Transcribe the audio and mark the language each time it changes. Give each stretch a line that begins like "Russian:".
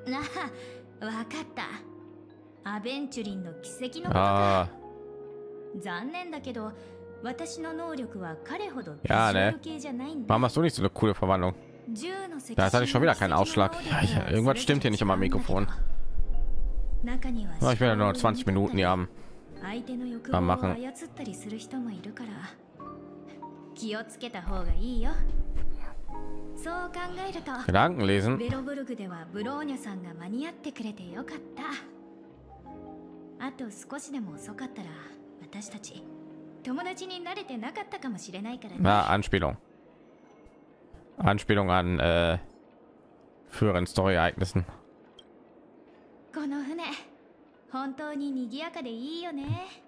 German: Ja, ne? Warum hast du nicht so eine coole Verwandlung? Da hatte ich schon wieder keinen Ausschlag. Ja, irgendwas stimmt hier nicht am Mikrofon. Ich will ja nur 20 Minuten hier haben.
Japanese: 相手の欲望を操ったりする人もいるから気をつけた方がいいよ。そう考えると、
German: Gedanken lesen.
Japanese: ベロブルグではブローニャさんが間に合ってくれてよかった。あと少しでも遅かったら私たち友達になれてなかったかもしれないから
German: ね。Ah, Anspielung. Anspielung an früheren Story-Ereignissen.
Japanese: この船本当に賑やかでいいよね。